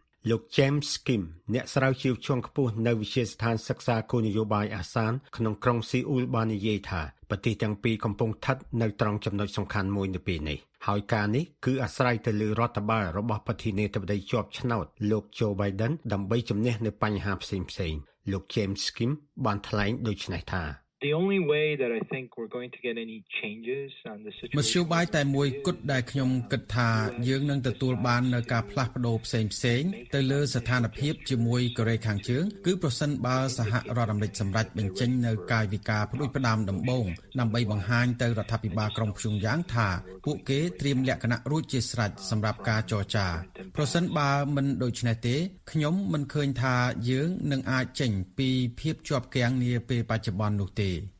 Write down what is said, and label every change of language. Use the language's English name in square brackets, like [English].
[Khmer] លោក James Kim អ្នកស្រាវជ្រាវជាន់ខ្ពស់នៅវិទ្យាស្ថានសិក្សាគោលនយោបាយអាស៊ានក្នុងក្រុងស៊ីអ៊ូលបាននិយាយថាប្រទេសទាំងពីរកំពុងស្ថិតនៅត្រង់ចំណុចសំខាន់មួយនៅពេលនេះហើយការនេះគឺអាស្រ័យទៅលើរដ្ឋបាលរបស់ប្រធានាធិបតីជាប់ឆ្នោតលោក Joe Biden ដើម្បីជំនះនៅបញ្ហាផ្សេងផ្សេងលោក James Kim បានថ្លែងដូចនេះថា [English] The only way that I think we're going to get any changes on the situation. [Khmer] មជ្ឈបាយតែមួយគត់ដែលខ្ញុំគិតថាយើងនឹងទទួលបាននូវការផ្លាស់ប្ដូរផ្សេងផ្សេងទៅលើស្ថានភាពជាមួយកូរ៉េខាងជើងគឺប្រសិនបើសហរដ្ឋអាមេរិកសម្រេចបញ្ចេញនូវកាយវិការផ្ដួចផ្ដើមដំបូងដើម្បីបង្ហាញទៅរដ្ឋាភិបាលក្រុងព្យុងយ៉ាងថាពួកគេត្រៀមលក្ខណៈរួចជាស្រេចសម្រាប់ការចរចាប្រសិនបើមិនដូច្នេះទេខ្ញុំមិនឃើញថាយើងនឹងអាចចេញពីភាពជាប់គាំងនាពេលបច្ចុប្បន្ននោះទេ